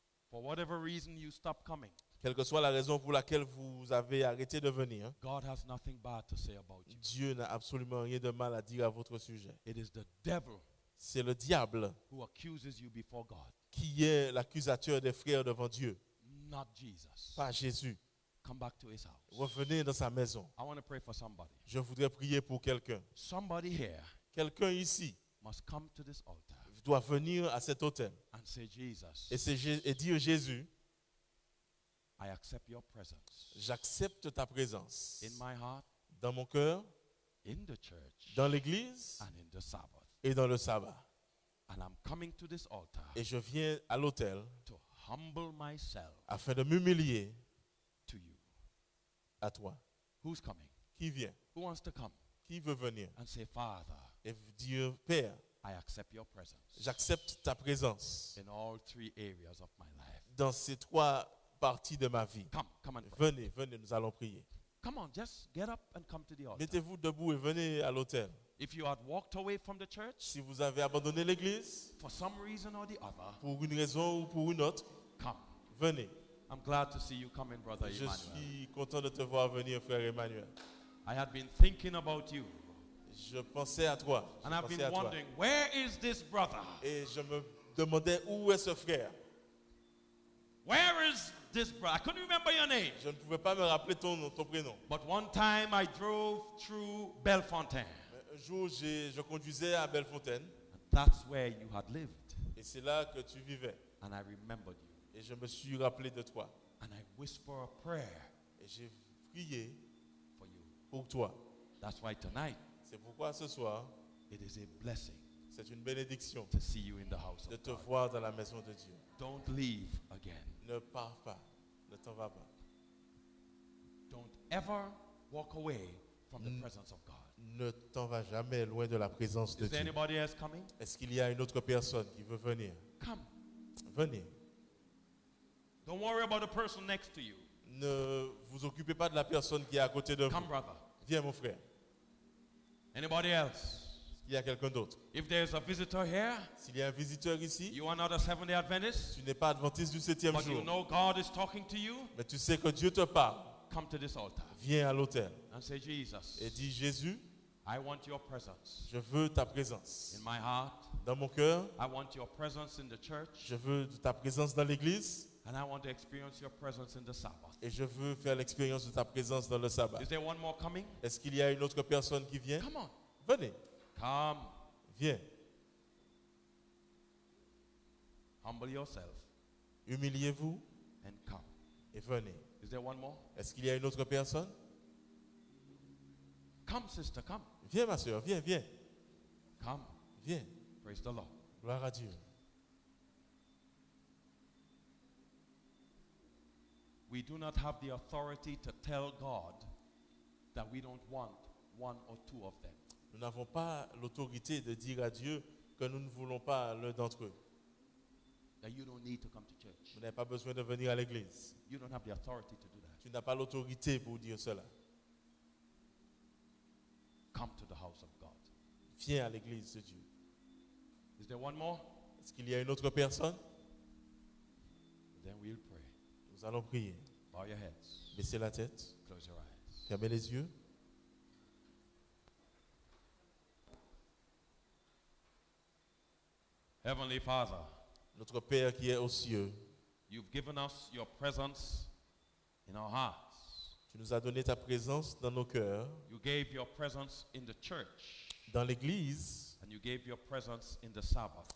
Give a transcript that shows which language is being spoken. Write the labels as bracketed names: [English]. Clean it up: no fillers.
[English] For whatever reason you stop coming, [French] quelle que soit la raison pour laquelle vous avez arrêté de venir, [English] God has nothing bad to say about you. [French] Dieu n'a absolument rien de mal à dire à votre sujet. [English] It is the devil. [French] C'est le diable [English] who accuses you before God. [French] Qui est l'accusateur des frères devant Dieu. [English] Not Jesus. [French] Pas Jésus. [English] Come back to his house. [French] Revenez dans sa maison. [English] I want to pray for somebody. [French] Je voudrais prier pour quelqu'un. [English] Somebody here, [French] quelqu'un ici, [English] must come to this altar, [French] doit venir à cet autel, [English] and say Jesus, [French] et dire Jésus, [English] I accept your presence, [French] j'accepte ta présence, [English] in my heart, [French] dans mon cœur, [English] in the church, [French] dans l'église, [English] and in the Sabbath. [French] Et dans le sabbat. [English] And I'm coming to this altar, [French] et je viens à l'autel [English] to humble myself [French] afin de m'humilier [English] to you. [French] À toi. [English] Who's coming? [French] Qui vient? [English] Who wants to come? [French] Qui veut venir? [English] And say, Father, [French] et dire, Père, [English] I accept your presence. [French] J'accepte ta présence [English] in all three areas of my life. [French] Dans ces trois parties de ma vie. [English] Come, come and [French] venez, venez, nous allons prier. [English] Come on, just get up and come to the altar. [French] Mettez-vous debout et venez à l'autel. [English] If you had walked away from the church, [French] si vous avez abandonné l'église, [English] for some reason or the other, [French] pour une raison ou pour une autre, [English] come. [French] Venez. [English] I'm glad to see you coming, brother [French] Emmanuel. Je suis content de te voir venir, frère Emmanuel. [English] I had been thinking about you. [French] Je pensais à toi. [English] And I've been wondering, where is this brother? [French] Et je me demandais où est ce frère. [English] Where is this brother? I couldn't remember your name. [French] Je ne pouvais pas me rappeler ton prénom. [English] But one time I drove through Bellefontaine. [French] Un jour, je conduisais à Bellefontaine. [English] That's where you had lived. [French] Et c'est là que tu vivais. [English] And I remembered you. [French] Et je me suis rappelé de toi. [English] And I whispered a prayer. [French] Et j'ai prié [English] for you. [French] Pour toi. [English] That's why tonight. [French] C'est pourquoi ce soir. [English] It is a blessing. [French] C'est une bénédiction. [English] To see you in the house of God. [French] De te voir dans la maison de Dieu. [English] Don't leave again. [French] Ne pars pas. Ne t'en vas pas. [English] Don't ever walk away from the presence of God. [French] Ne t'en vas jamais loin de la présence de Dieu. [English] Is anybody else coming? [French] Est-ce qu'il y a une autre personne qui veut venir? [English] Come. [French] Venez. [English] Don't worry about the person next to you. [French] Ne vous occupez pas de la personne qui est à côté de [English] come, [French] vous. [English] Come, brother. [French] Viens, mon frère. [English] Anybody else? [French] Il y a quelqu'un d'autre. [English] If there is a visitor here, [French] s'il y a un visiteur ici, [English] you are not a Seventh-day Adventist. [French] Tu n'es pas adventiste du septième [English] but [French] jour. [English] But you know God is talking to you. [French] Mais tu sais que Dieu te parle. [English] Come to this altar. [French] Viens à l'autel. [English] And say Jesus. [French] Et dis Jésus. [English] I want your presence. [French] Je veux ta présence. [English] In my heart. [French] Dans mon cœur. [English] I want your presence in the church. [French] Je veux ta présence dans l'église. [English] And I want to experience your presence in the Sabbath. [French] Et je veux faire l'expérience de ta présence dans le sabbat. [English] Is there one more coming? [French] Est-ce qu'il y a une autre personne qui vient? [English] Come on. [French] Venez. [English] Come. [French] Viens. [English] Humble yourself. [French] Humiliez-vous. [English] And come. [French] Et venez. [English] Is there one more? [French] Est-ce qu'il y a une autre personne? [English] Come, sister, come. [French] Viens, ma soeur, viens, viens. [English] Come. [French] Viens. [English] Praise the Lord. [French] Gloire à Dieu. [English] We do not have the authority to tell God that we don't want one or two of them. [French] Nous n'avons pas l'autorité de dire à Dieu que nous ne voulons pas l'un d'entre eux. [English] That you don't need to come to church. [French] Vous n'avez pas besoin de venir à l'église. [English] You don't have the authority to do that. [French] Tu n'as pas l'autorité pour dire cela. [English] Come to the house of God. [French] Viens à l'église de Dieu. [English] Is there one more? [French] Est-ce qu'il y a une autre personne? [English] Then we'll pray. [French] Nous allons prier. [English] Bow your heads. [French] Baissez la tête. [English] Close your eyes. [French] Fermez les yeux. [English] Heavenly Father, [French] notre Père qui est aux cieux, [English] you've given us your presence in our hearts. [French] Tu nous as donné ta présence dans nos cœurs. [English] You gave your presence in the church. [French] Dans l'église. [English] And you gave your presence in the Sabbath.